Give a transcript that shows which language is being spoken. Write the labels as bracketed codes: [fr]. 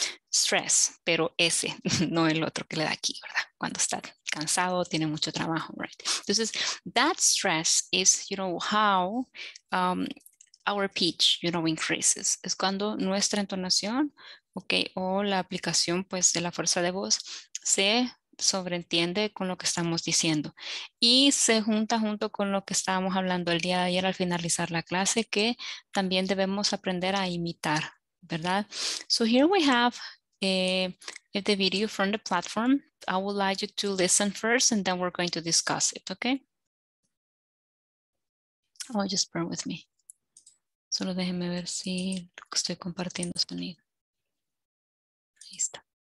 [es] Stress, pero ese, no el otro que le da aquí, ¿verdad? Cuando está cansado, tiene mucho trabajo, [en] right? [es] Entonces, [en] that stress is, you know, how our pitch, you know, increases. [es] Es cuando nuestra entonación, okay, o la aplicación, pues, de la fuerza de voz se sobreentiende con lo que estamos diciendo y se junto con lo que estábamos hablando el día de ayer al finalizar la clase, que también debemos aprender a imitar, ¿verdad? [en] So here we have the video from the platform. I would like you to listen first and then we're going to discuss it, okay? Oh, just bear with me. [es] Solo déjeme ver si estoy compartiendo sonido. Ahí está.